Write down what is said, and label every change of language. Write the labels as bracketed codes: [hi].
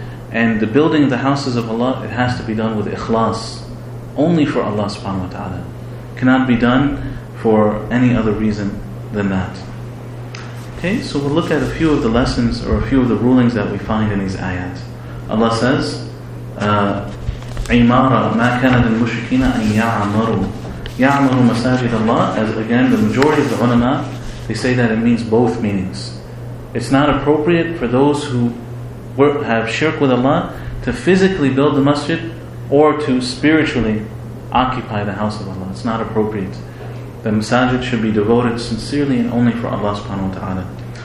[en] And the building of the houses of Allah, it has to be done with ikhlas, only for Allah subhanahu wa ta'ala. Cannot be done for any other reason than that. Okay, so we'll look at a few of the lessons or a few of the rulings that we find in these ayat. [ar] Allah says, عِمَارَ مَا كَانَ لِلْمُشْرِكِينَ أَن يَعْمَرُوا يَعْمَرُوا مَسَاجِدَ اللَّهِ. [en] As again, the majority of the ulama, they say that it means both meanings. It's not appropriate for those who have shirk with Allah to physically build the masjid or to spiritually occupy the house of Allah. It's not appropriate. The masajid should be devoted sincerely and only for Allah subhanahu wa ta'ala.